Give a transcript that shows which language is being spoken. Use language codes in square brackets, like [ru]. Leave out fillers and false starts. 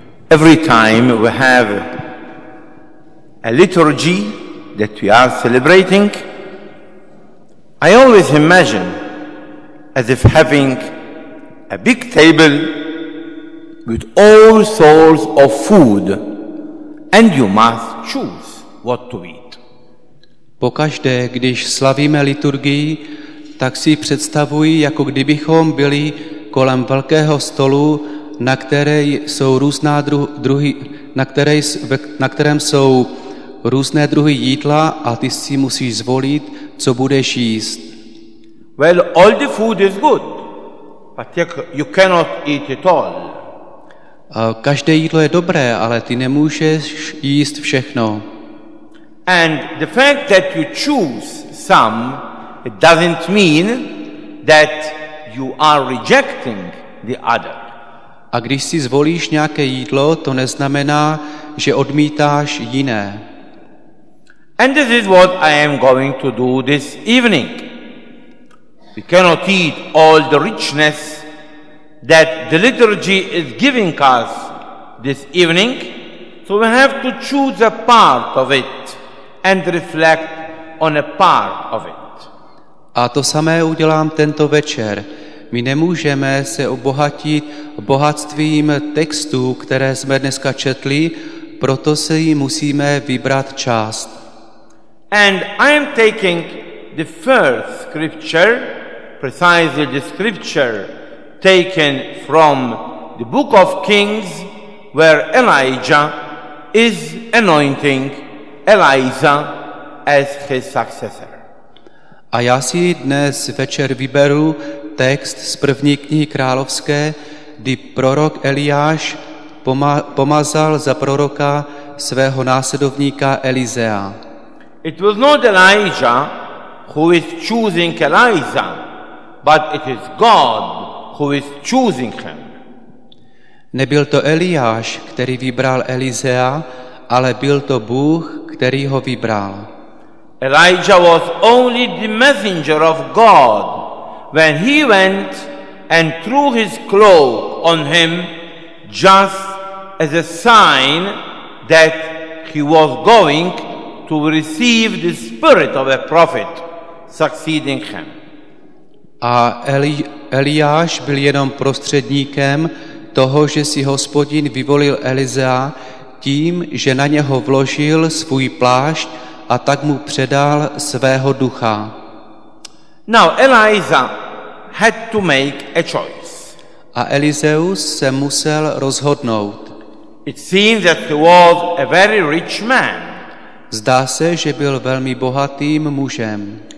[en] Every time we have a liturgy that we are celebrating, I always imagine as if having a big table with all sorts of food, and you must choose what to eat. [cs] Pokaždé, když slavíme liturgii, tak si představuji, jako kdybychom byli kolem velkého stolu, na které jsou různá druhy, na kterém jsou různé druhy jídla a ty si musíš zvolit, co budeš jíst. [en] Well, all the food is good, but you cannot eat it all. [cs] Každé jídlo je dobré, ale ty nemůžeš jíst všechno. [en] And the fact that you choose some, it doesn't mean that you are rejecting the other. [cs] A když si zvolíš nějaké jídlo, to neznamená, že odmítáš jiné. [en] And this is what I am going to do this evening. We cannot eat all the richness that the liturgy is giving us this evening, so we have to choose a part of it and reflect on a part of it. [cs] A to samé udělám tento večer. My nemůžeme se obohatit bohatstvím textů, které jsme dneska četli, proto se jí musíme vybrat část. [en] And I am taking the first scripture, precisely the scripture taken from the book of Kings, where Elijah is anointing Elisha as his successor. [cs] A já si dnes večer vyberu text z první knihy královské, kdy prorok Eliáš pomazal za proroka svého následovníka Elizea. [en] It was not Elijah who is choosing Eliza, but it is God who is choosing him. [cs] Nebyl to Eliáš, který vybral Elizea, ale byl to Bůh, který ho vybral. [en] Elijah was only the messenger of God. When he went and threw his cloak on him, just as a sign that he was going to receive the spirit of a prophet succeeding him. [cs] A Eliáš byl jenom prostředníkem toho, že si Hospodin vyvolil Elizea tím, že na něho vložil svůj plášť a tak mu předal svého ducha. [en] Now Eliza had to make a choice. [cs] A Elizeus se musel rozhodnout. [en] It seems that he was a very rich man. [cs] Zdá se, že byl velmi bohatým mužem.